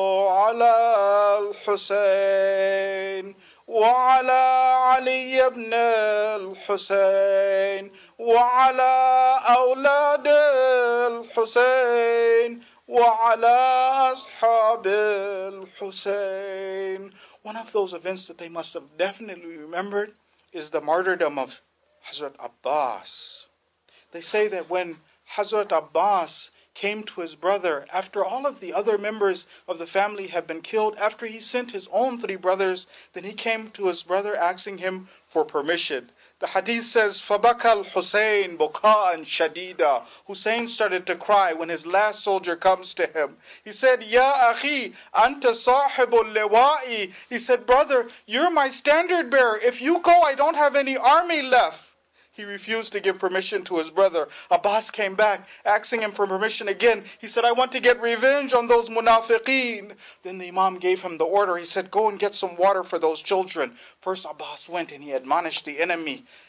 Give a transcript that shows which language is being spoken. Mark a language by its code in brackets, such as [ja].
[ar] على الحسين وعلى علي بن الحسين وعلى أولاد الحسين وَعَلَىٰ أَصْحَابِ الْحُسَيْنِ. [en] One of those events that they must have definitely remembered is the martyrdom of Hazrat Abbas. They say that when Hazrat Abbas came to his brother after all of the other members of the family had been killed, after he sent his own three brothers, then he came to his brother asking him for permission. The hadith says, [ar] فَبَكَى الْحُسَيْنُ بُكَاءً شَدِيدًا. [en] Hussein started to cry when his last soldier comes to him. He said, [ar] يَا أَخِي أَنْتَ صَاحِبُ اللِّوَائِ. [en] He said, brother, you're my standard bearer. If you go, I don't have any army left. He refused to give permission to his brother. Abbas came back, asking him for permission again. He said, I want to get revenge on those munafiqeen. Then the imam gave him the order. He said, go and get some water for those children. First, Abbas went and he admonished the enemy.